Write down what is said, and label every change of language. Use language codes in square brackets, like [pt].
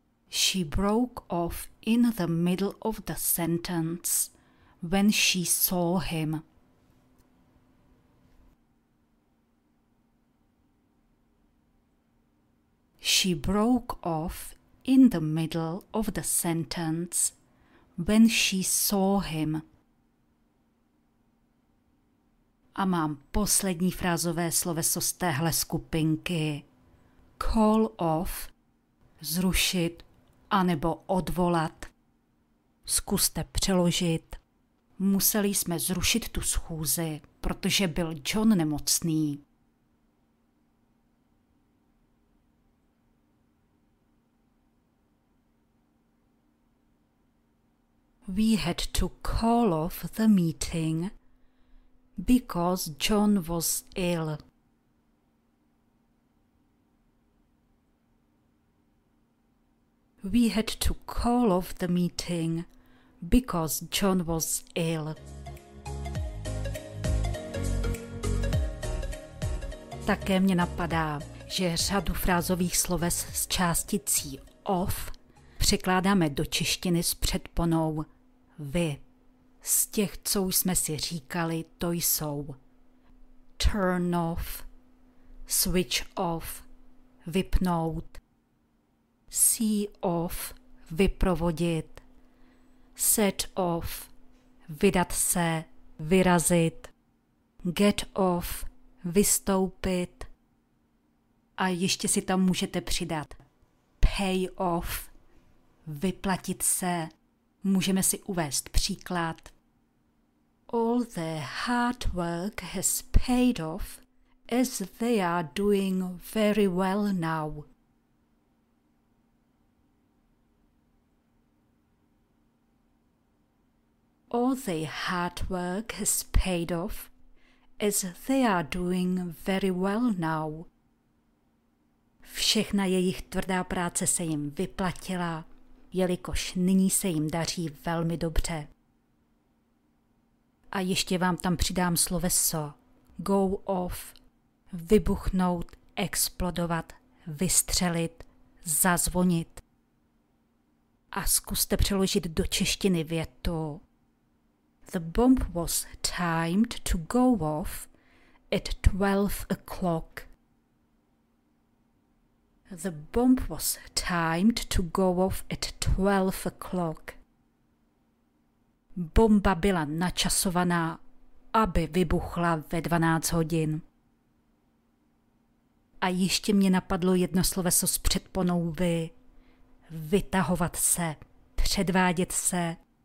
[en] She broke off in the middle of the sentence when she saw him. She broke off in the middle of the sentence when she saw him. [cs] A mám poslední frázové sloveso z téhle skupinky. Call off, zrušit, anebo odvolat. Zkuste přeložit. Museli jsme zrušit tu schůzi, protože byl John nemocný. [en] We had to call off the meeting because John was ill. We had to call off the meeting because John was ill. [cs] Také mě napadá, že řadu frázových sloves s částicí off překládáme do češtiny s předponou vy. Z těch, co jsme si říkali, to jsou turn off, switch off, vypnout, see off, vyprovodit, set off, vydat se, vyrazit, get off, vystoupit, a ještě si tam můžete přidat pay off, vyplatit se. Můžeme si uvést příklad. [en] All their hard work has paid off as they are doing very well now. All their hard work has paid off as they are doing very well now. [cs] Všechna jejich tvrdá práce se jim vyplatila, jelikož nyní se jim daří velmi dobře. A ještě vám tam přidám sloveso go off, vybuchnout, explodovat, vystřelit, zazvonit. A zkuste přeložit do češtiny větu. [en] The bomb was timed to go off at 12 o'clock. The bomb was timed to go off at 12 o'clock. [cs] Bomba byla načasovaná, aby vybuchla ve 12 hodin. A ještě mě napadlo jedno sloveso s předponou vy. Vytahovat se, předvádět se.